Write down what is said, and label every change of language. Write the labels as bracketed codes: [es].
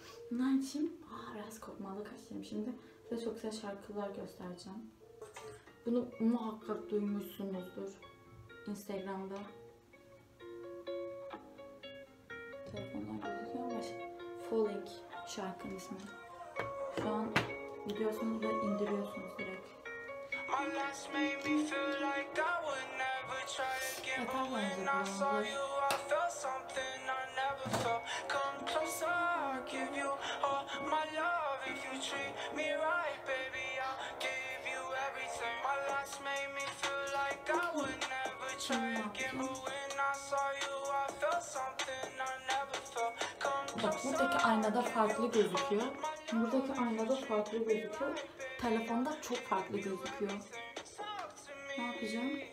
[tr] Bunlar için biraz korkmalı kaçayım şimdi. Size çok güzel şarkılar göstereceğim. Bunu muhakkak duymuşsunuzdur. Instagram'da. Telefonlar gözüküyor ama Falling şarkının ismi. Şu an biliyorsunuz ve indiriyorsunuz direkt. [en] My last made me feel like I would never try again. But when I saw you, I felt something I never felt. Come closer, I'll give you all my love. If you treat me right, baby, I'll give you everything. My last made me feel like I would never try again. But when I saw you, I felt something I never felt. Come closer. [tr] Buradaki aynada farklı gözüküyor. Buradaki aynada farklı gözüküyor. Telefonda çok farklı gözüküyor. Ne yapacağım?